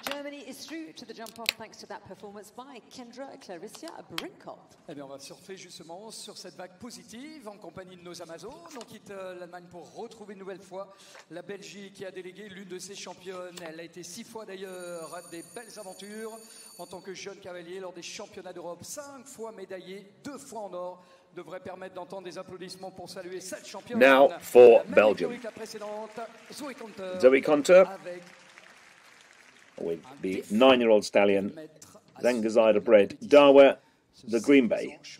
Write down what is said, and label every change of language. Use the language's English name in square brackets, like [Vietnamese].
[English] Germany is through to the jump-off thanks to that performance by Kendra Clarissia Brinkhoff. [French] Eh bien, on va surfer justement sur cette vague positive en compagnie de nos Amazones. On quitte l'Allemagne pour retrouver une nouvelle fois la Belgique qui a délégué l'une de ses championnes. Elle a été six fois d'ailleurs à des belles aventures en tant que jeune cavalier lors des championnats d'Europe. Cinq fois médaillée, deux fois en or. devrait permettre d'entendre des applaudissements pour saluer cette championne. [English] Now for Belgium. Zoe Conter with the 9-year-old stallion, then Gazida bred Darwa, the Green Bay.